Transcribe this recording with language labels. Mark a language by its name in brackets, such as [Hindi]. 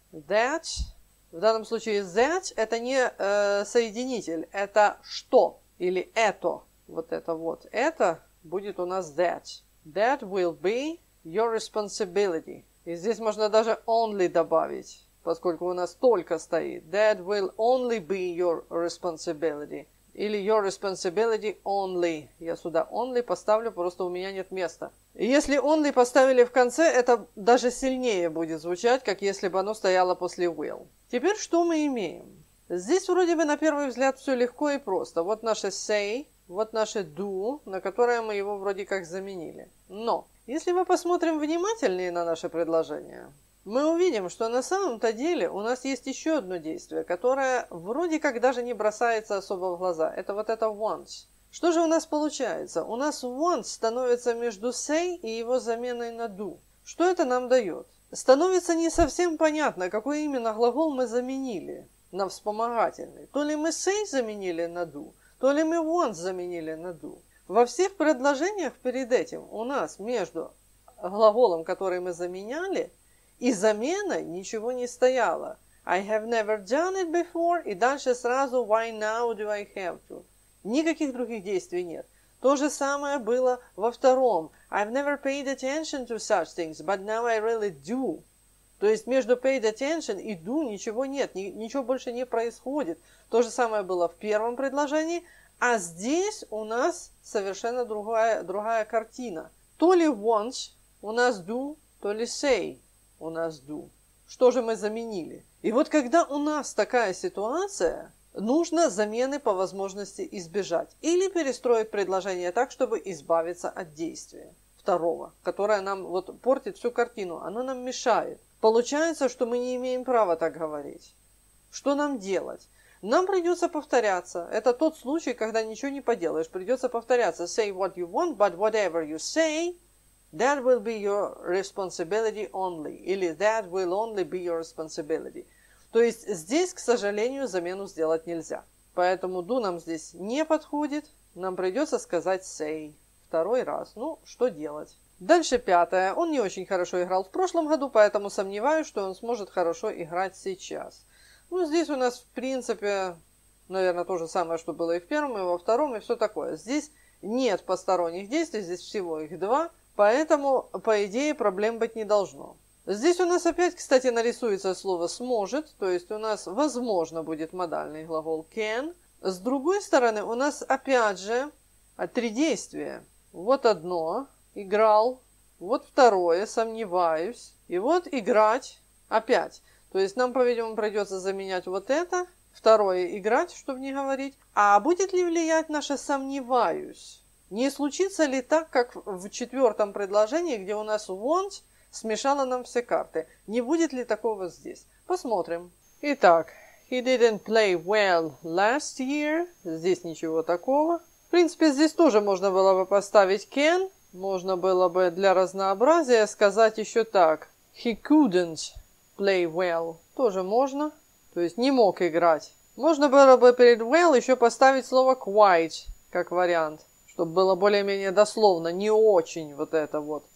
[Russian] «That», в данном случае «that» — это не соединитель, это «что» или «это». Вот это вот «это» будет у нас «that». [English] «That will be your responsibility». [Russian] И здесь можно даже «only» добавить, поскольку у нас «только» стоит. [English] «That will only be your responsibility». [Russian] Или [English] «your responsibility only». [Russian] Я сюда «only» поставлю, просто у меня нет места. Если «only» поставили в конце, это даже сильнее будет звучать, как если бы оно стояло после «will». Теперь что мы имеем? Здесь вроде бы на первый взгляд все легко и просто. Вот наше «say», вот наше «do», на которое мы его вроде как заменили. Но если мы посмотрим внимательнее на наше предложение, мы увидим, что на самом-то деле у нас есть еще одно действие, которое вроде как даже не бросается особо в глаза. Это вот это «want». Что же у нас получается? У нас «want» становится между «say» и его заменой на «do». Что это нам дает? Становится не совсем понятно, какой именно глагол мы заменили на вспомогательный. То ли мы «say» заменили на «do», то ли мы «want» заменили на «do». Во всех предложениях перед этим у нас между глаголом, который мы заменяли, и заменой ничего не стояло. [English] «I have never done it before», [Russian] и дальше сразу [English] «why now do I have to?». [Russian] Никаких других действий нет. То же самое было во втором. [English] «I've never paid attention to such things, but now I really do». [Russian] То есть между «paid attention» и «do» ничего нет, ничего больше не происходит. То же самое было в первом предложении, а здесь у нас совершенно другая картина. То ли «want» у нас «do», то ли «say» у нас «do». Что же мы заменили? И вот когда у нас такая ситуация, нужно замены по возможности избежать или перестроить предложение так, чтобы избавиться от действия второго, которое нам вот портит всю картину, оно нам мешает. Получается, что мы не имеем права так говорить. Что нам делать? Нам придется повторяться. Это тот случай, когда ничего не поделаешь. Придется повторяться. [English] Say what you want, but whatever you say, that will be your responsibility only. [Russian] Или [English] that will only be your responsibility. [Russian] То есть здесь, к сожалению, замену сделать нельзя. Поэтому do нам здесь не подходит. Нам придется сказать say второй раз. Ну, что делать? Дальше пятое. Он не очень хорошо играл в прошлом году, поэтому сомневаюсь, что он сможет хорошо играть сейчас. Ну, здесь у нас, в принципе, наверное, то же самое, что было и в первом, и во втором, и все такое. Здесь нет посторонних действий, здесь всего их два, поэтому, по идее, проблем быть не должно. Здесь у нас опять, кстати, нарисуется слово «сможет», то есть у нас, возможно, будет модальный глагол «can». С другой стороны, у нас, опять же, три действия. Вот одно – «играл», вот второе – «сомневаюсь», и вот «играть» – «опять». То есть нам, по-видимому, придется заменять вот это, второе «играть», чтобы не говорить. А будет ли влиять наше «сомневаюсь»? Не случится ли так, как в четвертом предложении, где у нас «want» смешало нам все карты? Не будет ли такого здесь? Посмотрим. Итак, [English] «he didn't play well last year». [Russian] Здесь ничего такого. В принципе, здесь тоже можно было бы поставить «can». Можно было бы для разнообразия сказать еще так. [English] «He couldn't play well» [Russian] тоже можно, то есть не мог играть. Можно было бы перед well еще поставить слово quite как вариант, чтобы было более-менее дословно, не очень вот это вот.